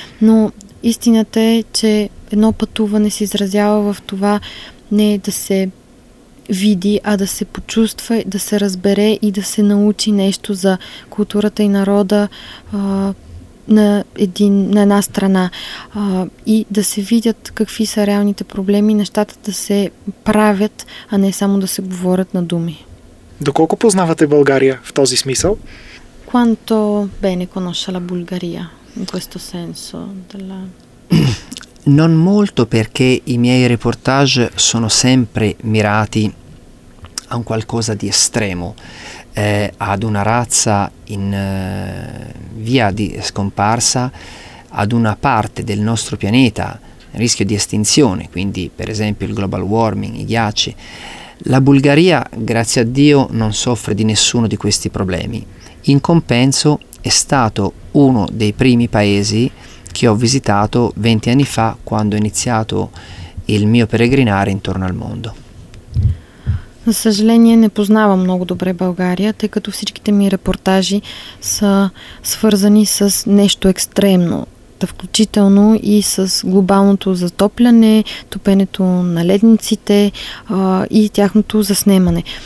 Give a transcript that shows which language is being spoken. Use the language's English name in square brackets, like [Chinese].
[Bulgarian] Но истината е, че едно пътуване се изразява в това не да се види, а да се почувства, да се разбере и да се научи нещо за културата и народа, на една страна и да се видят какви са реалните проблеми, нещата да се правят, а не само да се говорят на думи. Доколко познавате България в този смисъл? [Italian] Quanto bene conosce la Bulgaria in questo senso della... Non molto, perché i miei reportage sono sempre mirati a un qualcosa di estremo, ad una razza in via di scomparsa, ad una parte del nostro pianeta a rischio di estinzione, quindi per esempio il global warming, i ghiacci. La Bulgaria, grazie a Dio, non soffre di nessuno di questi problemi. In compenso è stato uno dei primi paesi che ho visitato 20 anni fa, quando ho iniziato il mio peregrinare intorno al mondo. [Bulgarian] За съжаление, не познавам много добре България, тъй като всичките ми репортажи са свързани с нещо екстремно, включително и с глобалното затопляне, топенето на ледниците и тяхното заснемане.